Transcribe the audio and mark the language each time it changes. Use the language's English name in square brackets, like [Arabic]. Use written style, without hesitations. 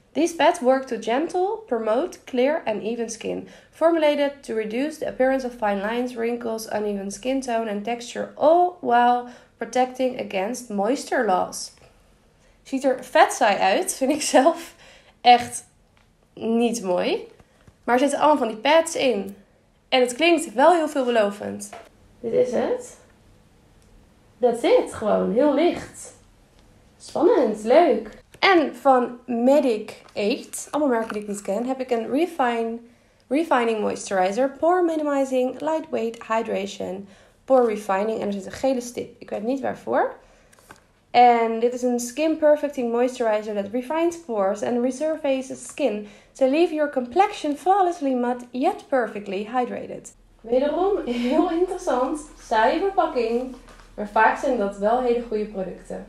[English] This pad works to gentle, promote clear and even skin. Formulated to reduce the appearance of fine lines, wrinkles, uneven skin tone and texture. All while protecting against moisture loss. [Dutch] Ziet er vet saai uit, vind ik zelf echt niet mooi. Maar er zitten allemaal van die pads in. En het klinkt wel heel veelbelovend. Dit is het. [English] That's it, [Dutch] gewoon heel licht. Spannend, leuk. En van Medic 8, allemaal merken die ik niet ken, heb ik een Refining Moisturizer. [English] Pore Minimizing Lightweight Hydration Pore Refining. [Dutch] En er zit een gele stip, ik weet niet waarvoor. En dit is een [English] skin perfecting moisturizer that refines pores and resurfaces skin to leave your complexion flawlessly matte yet perfectly hydrated. [Dutch] Wederom heel interessant, saaie verpakking, maar vaak zijn dat wel hele goede producten.